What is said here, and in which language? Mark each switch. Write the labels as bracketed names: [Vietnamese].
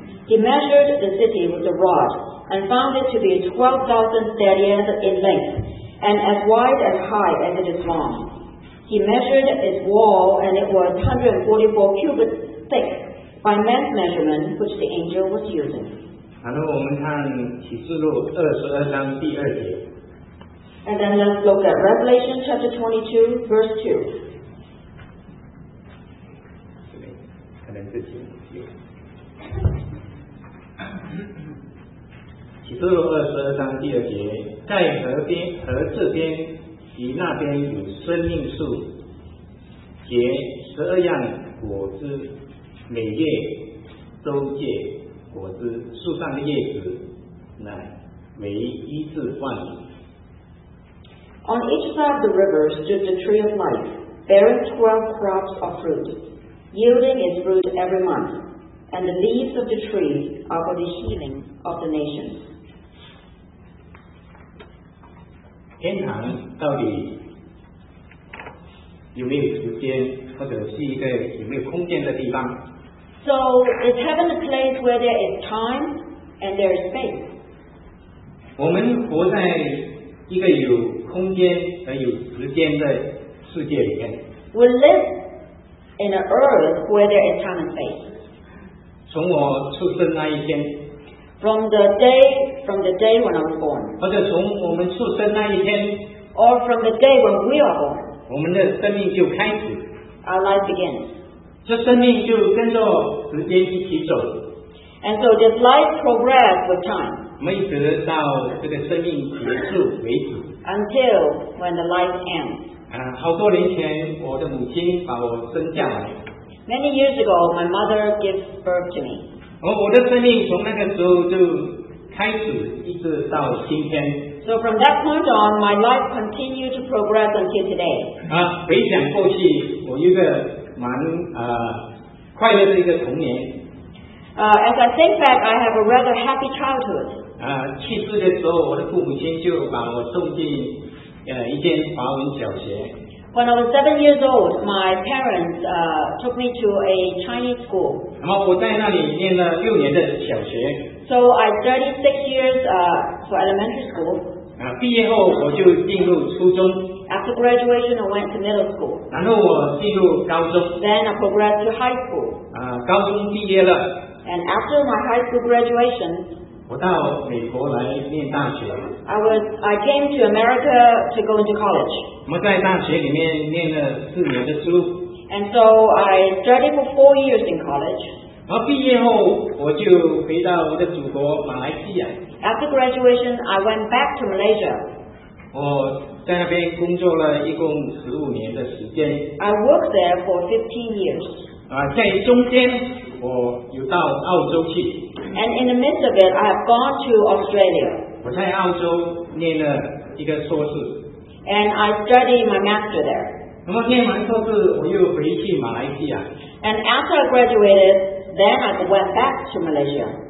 [English] He measured the city with a rod, and found it to be 12,000 stadia in length, and as wide and high as it is long. He measured its wall, and it was 144 cubits thick. By man's measurement, which the angel was using. [Chinese] 然后我们看启示录22章第2节。 [English] And then let's look at Revelation chapter 22, verse 2. [Chinese] 可能是请不及。启示录22章第2节，在河这边及那边有生命树，结12样果子。每月都结果子，树上的叶子乃为医治万民。 [English] On each side of the river stood the tree of life, bearing 12 crops of fruit, yielding its fruit every month, and the leaves of the tree are for the healing of the nations. [Chinese] 天堂到底有没有时间，或者是一个有没有空间的地方？ [English] So, is heaven a place where there is time and there is space? [Chinese] 我们活在一个有空间和有时间的世界里面。 [English] We live in an earth where there is time and space. [Chinese] 从我出生那一天。 [English] From the day when I was born. [Chinese] 或者从我们出生那一天。 [English] Or from the day when we are born. [Chinese] 我们的生命就开始。 [English] Our life begins. [Chinese] 这生命就跟着时间一起走。 [English] And so does life progress with time? [Chinese] 我们一直到这个生命结束为止。 [English] Until when the life ends. [Chinese] 好多年前我的母亲把我生下来。 [English] Many years ago, my mother gave birth to me. [Chinese] 我的生命从那个时候就开始一直到今天。 [English] So from that point on, my life continued to progress until today. [Chinese] 啊，回想过去，我一个蛮快乐的一个童年。 [English] As I think back, I have a rather happy childhood. [Chinese] 啊，七岁的时候，我的父母亲就把我送进一间华文小学。 [English] When I was 7 years old, my parents took me to a Chinese school. [Chinese] 然后我在那里念了六年的小学。 [English] So I studied 6 years for elementary school. [Chinese] 啊，毕业后我就进入初中。 [English] After graduation, I went to middle school. [Chinese] 然后我进入高中。 [English] Then I progressed to high school. [Chinese] 啊，高中毕业了。 [English] And after my high school graduation, [Chinese] 我到美国来念大学。 [English] I came to America to go into college. [Chinese] 我在大学里面念了四年的书。 [English] And so I studied for 4 years in college. [Chinese] 然后毕业后，我就回到我的祖国马来西亚。 [English] After graduation, I went back to Malaysia. [Chinese] 我在那边工作了一共15年的时间。 [English] I worked there for 15 years. [Chinese] 啊，在中间我有到澳洲去。 [English] And in the midst of it, I have gone to Australia. [Chinese] 我在澳洲念了一个硕士。 [English] And I studied my master there. [Chinese] 那么念完硕士，我又回去马来西亚。 [English] And after I graduated, then I went back to Malaysia.